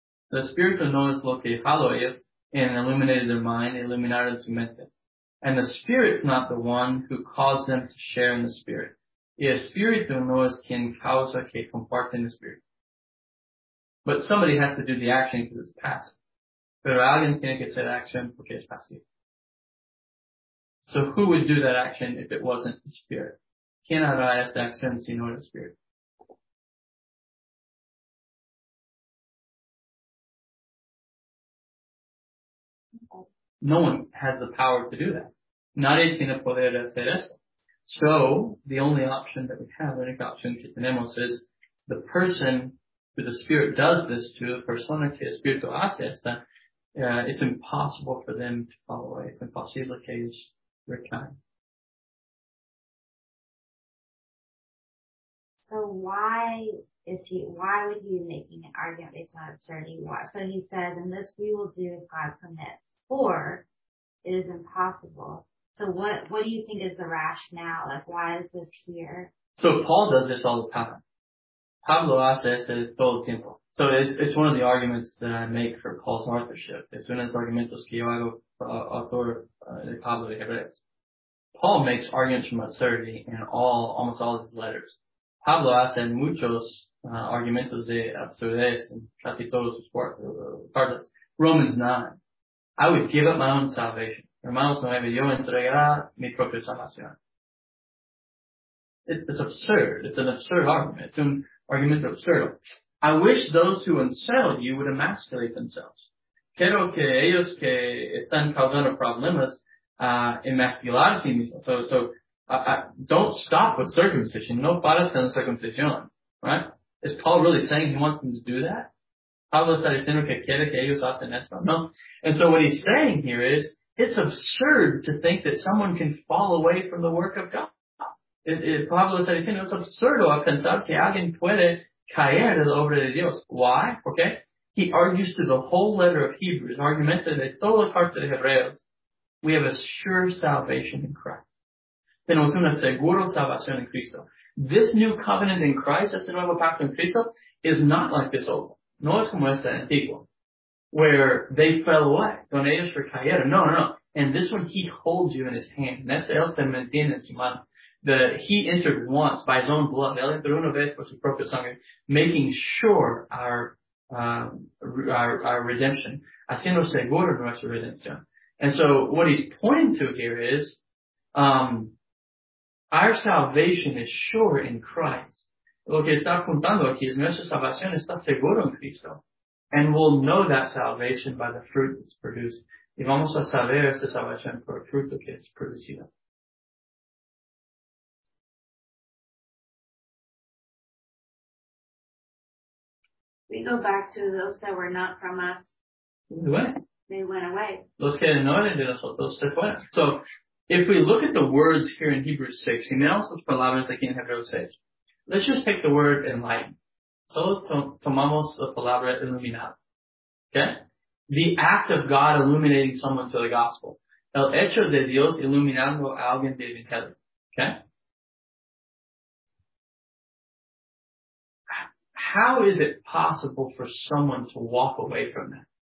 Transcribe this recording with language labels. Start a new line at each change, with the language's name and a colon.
English: The Spirit
Spanish: no es lo que jaló ellos
English: and illuminated their mind,
Spanish: iluminaron su mente.
English: And the Spirit's not the one who caused them to share in the Spirit.
Spanish: Y Espíritu no es quien causa que comparten el Espíritu.
English: But somebody has to do the action because it's passive.
Spanish: Pero alguien tiene que hacer acción porque es pasivo.
English: So who would do that action if it wasn't the Spirit?
Spanish: ¿Quién hará esta acción si no es el Espíritu?
English: No one has the power to do that.
Spanish: Nadie tiene poder de hacer eso.
English: So, the only option that we have,
Spanish: the única opción que tenemos
English: is the person who the Spirit does this to,
Spanish: the persona que el Espíritu hace esta,
English: it's impossible for them to fall away. It's impossible
Spanish: que ellos recaen.
English: So why would he be making an argument based on absurdity? So he says, and this we will do if God permits, or it is impossible. So what do you think is the rationale? Like, why is this here? So Paul does this all the time.
Spanish: Pablo hace esto todo el tiempo.
English: So it's one of the arguments that I make for Paul's authorship.
Spanish: Es uno de los argumentos que yo hago autor de Pablo de Hebreos.
English: Paul makes arguments from absurdity in almost all of his letters.
Spanish: Pablo hace muchos argumentos de absurdez en casi todos sus cartas.
English: Romans 9. I would give up my own salvation.
Spanish: Hermanos 9, yo entregará mi propia salvación.
English: It's absurd. It's an absurd argument. It's an argument absurd. I wish those who unsettled you would emasculate themselves.
Spanish: Quiero que ellos que están causando problemas emascular a ti mismo.
English: So don't stop with circumcision.
Spanish: No paras con circuncisión.
English: Right? Is Paul really saying he wants them to do that?
Spanish: Pablo está diciendo que quiere que ellos hacen esto. No.
English: And so what he's saying here is, it's absurd to think that someone can fall away from the work of God.
Spanish: Pablo está diciendo, es absurdo a pensar que alguien puede caer de la obra de Dios.
English: Why? Okay. He argues through the whole letter of Hebrews,
Spanish: argumenta de toda la carta de Hebreos.
English: We have a sure salvation in Christ.
Spanish: Tenemos una segura salvación en Cristo.
English: This new covenant in Christ,
Spanish: este nuevo pacto en Cristo,
English: is not like this old one.
Spanish: No es como esta antigua.
English: Where they fell away.
Spanish: Donde ellos recayeron. No.
English: And this one, he holds you in his hand.
Spanish: Neste él te mantiene en su mano.
English: That he entered once by his own blood.
Spanish: Él entró una vez por su propia sangre.
English: Making sure our our redemption.
Spanish: Haciendo seguro nuestra redención.
English: And so what he's pointing to here is, our salvation is sure in Christ.
Spanish: Lo que está apuntando aquí es nuestra salvación está seguro en Cristo.
English: And we'll know that salvation by the fruit that's produced.
Spanish: Y vamos a saber esa salvación por el fruto que es producido.
English: We go back to those that were not from us. They went away.
Spanish: Los que no eran de nosotros se fueron.
English: So, if we look at the words here in Hebrews 6,
Spanish: y miramos las palabras aquí en Hebreos
English: 6, let's just take the word enlighten.
Spanish: Solo tomamos la palabra iluminado.
English: Okay? The act of God illuminating someone to the gospel.
Spanish: El hecho de Dios iluminando a alguien de Evangelio.
English: Okay? How is it possible for someone to walk away from that?